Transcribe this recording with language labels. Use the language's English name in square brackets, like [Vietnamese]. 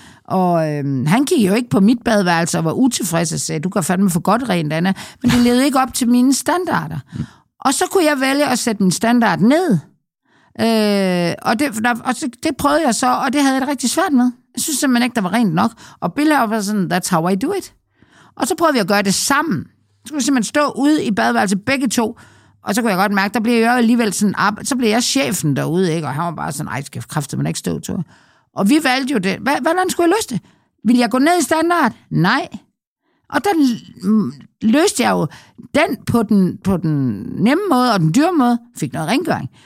[Danish] Og han kiggede jo ikke på mit badeværelse og var utilfreds og sagde, du kan fandme for godt rent, Anna. Men det levede ikke op til mine standarder. Og så kunne jeg vælge at sætte min standard ned. Og det prøvede jeg så, og det havde jeg det rigtig svært med. Jeg synes simpelthen ikke, der var rent nok. Og Bill var sådan, [English] that's how I do it. [Danish] Og så prøvede vi at gøre det sammen. Så kunne vi simpelthen stå ude i badeværelset begge to, og så kunne jeg godt mærke, der bliver jeg alligevel sådan, så bliver jeg chefen derude, ikke? Og han var bare sådan, ej, skal kræftet, man ikke stå to. Og vi valgte jo det. Hvordan skulle jeg løse det? Vil jeg gå ned i standard? Nej. Og der løste jeg jo den på den nemme måde og den dyre måde, fik noget rengøring.